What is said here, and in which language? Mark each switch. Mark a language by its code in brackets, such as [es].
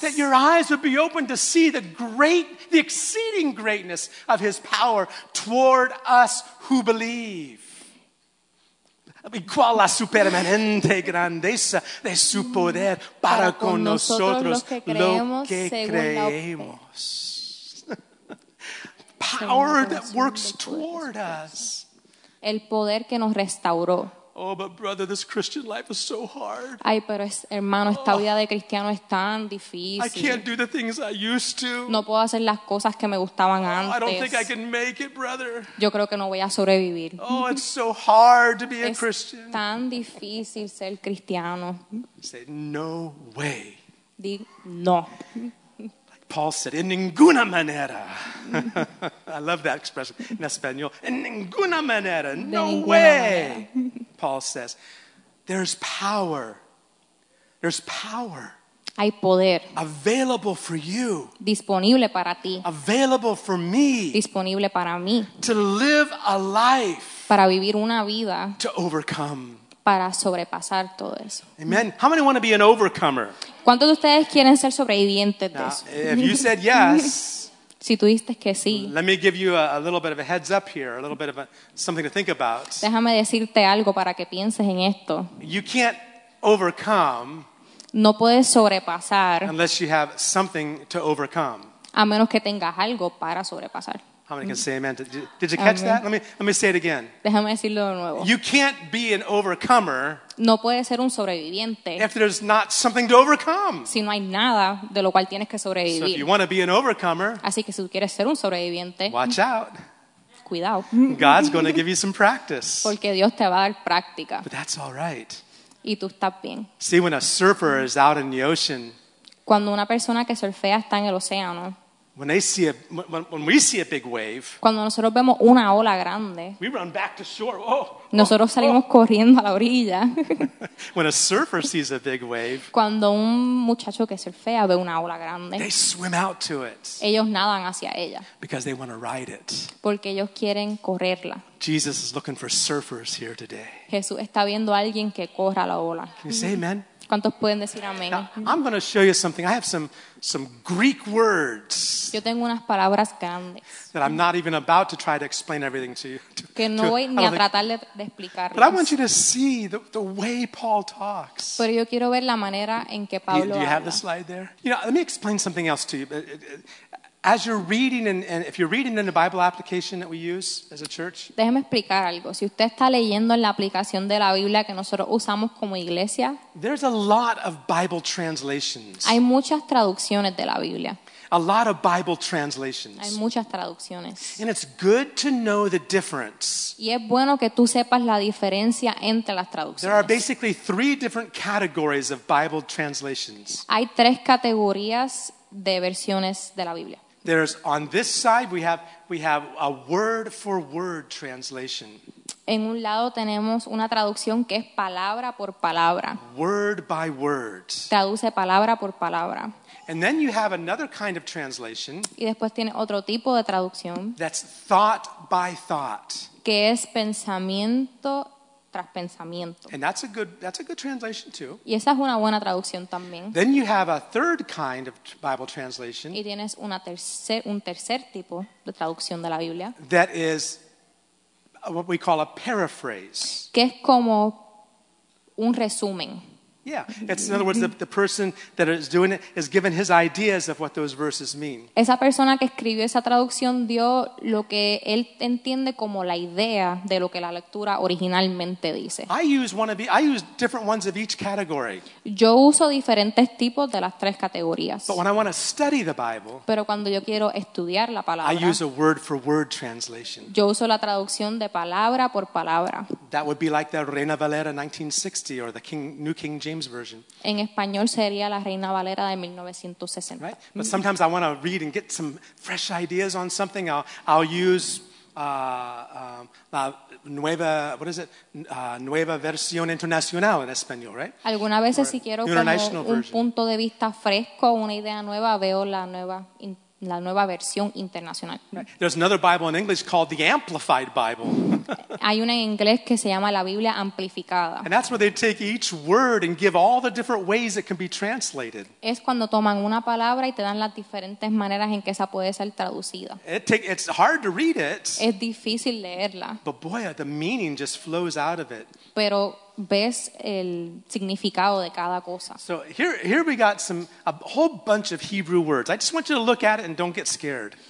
[en] That your eyes would be open to see the exceeding greatness of his power toward us who believe. [es] Y cuál la supermanente grandeza de su poder para con nosotros lo que creemos. [en] Power that works toward us. [es] El poder que nos restauró. [en] Oh, but brother, this Christian life is so hard. [es] Ay, pero hermano, esta vida de cristiano es tan difícil. [en] I can't do the things I used to. [es] No puedo hacer las cosas que me gustaban antes. [en] I don't think I can make it, brother. [es] Yo creo que no voy a sobrevivir. [en] Oh, it's so hard to be a Christian. [es] Es tan difícil ser cristiano. [en] Say, no way. [es] Di no. [en] Paul said, [es] en ninguna manera. [en] I love that expression in Espanol. [es] En ninguna manera. [en] No way. Paul says, there's power. There's power. [es] Hay poder. [en] Available for you. [es] Disponible para ti. [en] Available for me. [es] Disponible para mí. [en] To live a life. [es] Para vivir una vida. [en] To overcome. [es] Para sobrepasar todo eso. [en] Amen. How many want to be an overcomer? [es] ¿Cuántos de ustedes quieren ser sobrevivientes de eso? [en] If you said yes, [es] si tú dijiste que sí, [en] let me give you a little bit of a heads up here, a little bit of something to think about. [es] Déjame decirte algo para que pienses en esto. [en] You can't overcome, [es] no puedes sobrepasar, [en] unless you have something to overcome. [es] A menos que tengas algo para sobrepasar. [en] How many can say amen? Did you catch amen. That? Let me say it again. [es] Déjame decirlo de nuevo. [en] You can't be an overcomer. [es] No puedes ser un sobreviviente. [en] If there's not something to overcome. [es] Si no hay nada de lo cual tienes que sobrevivir. [en] So if you want to be an overcomer. [es] Así que si tú quieres ser un sobreviviente. [en] Watch out. [es] Cuidado. [en] God's going to give you some practice. [es] Porque Dios te va a dar práctica. [en] But that's all right. [es] Y tú estás bien. [en] See, when a surfer is out in the ocean. [es] Cuando una persona que surfea está en el océano. [en] When they see a, when we see a big wave, [es] cuando nosotros vemos una ola grande, [en] we run back to shore. Oh, [es] nosotros salimos corriendo a la orilla. [en] When a surfer sees a big wave, [es] cuando un muchacho que surfea ve una ola grande, [en] they swim out to it. [es] Ellos nadan hacia ella. [en] Because they want to ride it. [es] Porque ellos quieren correrla. [en] Jesus is looking for surfers here today. [es] Jesús está viendo a alguien que corra la ola. [en] Can you say amen? [es] ¿Cuántos pueden decir amén? [en] Now, I'm going to show you something. I have some Greek words. [es] Yo tengo unas palabras grandes. [en] That I'm not even about to try to explain everything to you. [es] Que no voy ni a tratar de explicarlo. [en] But I want you to see the way Paul talks. [es] Pero yo quiero ver la manera en que Pablo habla. [en] Do you have the slide there? You know, let me explain something else to you. As you're reading, and if you're reading in the Bible application that we use as a church, [es] déjeme explicar algo. Si usted está leyendo en la aplicación de la Biblia que nosotros usamos como iglesia, [en] there's a lot of Bible translations. [es] Hay muchas traducciones de la Biblia. [en] A lot of Bible translations. [es] Hay muchas traducciones. [en] And it's good to know the difference. [es] Y es bueno que tú sepas la diferencia entre las traducciones. [en] There are basically three different categories of Bible translations. [es] Hay tres categorías de versiones de la Biblia. [en] There's on this side we have a word for word translation. [es] En un lado tenemos una traducción que es palabra por palabra. [en] Word by word. [es] Traduce palabra por palabra. [en] And then you have another kind of translation. [es] Y después tiene otro tipo de traducción. [en] That's thought by thought. [es] Que es pensamiento tras pensamiento. [en] And that's a good translation too. [es] Y esa es una buena traducción también. [en] Then you have a third kind of Bible translation. [es] Y tienes un tercer tipo de traducción de la Biblia. [en] That is what we call a paraphrase. [es] Que es como un resumen. [en] Yeah, it's, in other words, the person that is doing it is given his ideas of what those verses mean. [es] Esa persona que escribió esa traducción dio lo que él entiende como la idea de lo que la lectura originalmente dice. [en] I use different ones of each category. [es] Yo uso diferentes tipos de las tres categorías. [en] But when I want to study the Bible, [es] pero cuando yo quiero estudiar la palabra, [en] I use a word for word translation. [es] Yo uso la traducción de palabra por palabra. [en] That would be like the Reina Valera 1960 or the New King James. James version. [es] En español sería la Reina Valera de 1960. [en] Right? But sometimes I want to read and get some fresh ideas on something. I'll use [es] la nueva, [en] what is it? [es] Nueva versión internacional en español, right? Algunas veces si quiero como un punto de vista fresco, una idea nueva, veo la nueva versión internacional. [en] Right. There's another Bible in English called the Amplified Bible. [es] Hay una en inglés que se llama la Biblia Amplificada. [en] And that's where they take each word and give all the different ways it can be translated. [es] Es cuando toman una palabra y te dan las diferentes maneras en que esa puede ser traducida. [en] It's hard to read it. [es] Es difícil leerla. [en] But boy, the meaning just flows out of it. [es] Pero ves el significado de cada cosa. [en] So here we got a whole bunch of Hebrew words. I just want you to look at it and don't get scared.